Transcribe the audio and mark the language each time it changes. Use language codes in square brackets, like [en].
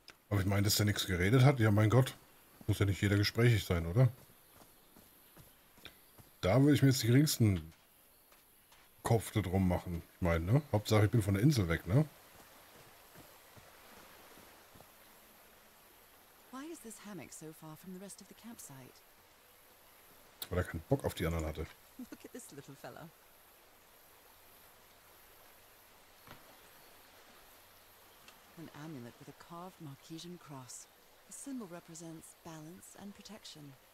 [de] Aber ich meine, dass er nichts geredet hat? Ja, mein Gott. Muss ja nicht jeder gesprächig sein, oder? Da würde ich mir jetzt die geringsten Kopf da drum machen. Ich meine, ne? Hauptsache, ich bin von der Insel weg, ne? [en] Why is this hammock so far from the rest of the campsite? [de] Weil er keinen Bock auf die anderen hatte. [en] Look at this little fella. An amulet with a carved Marquesian cross. The symbol represents balance and protection.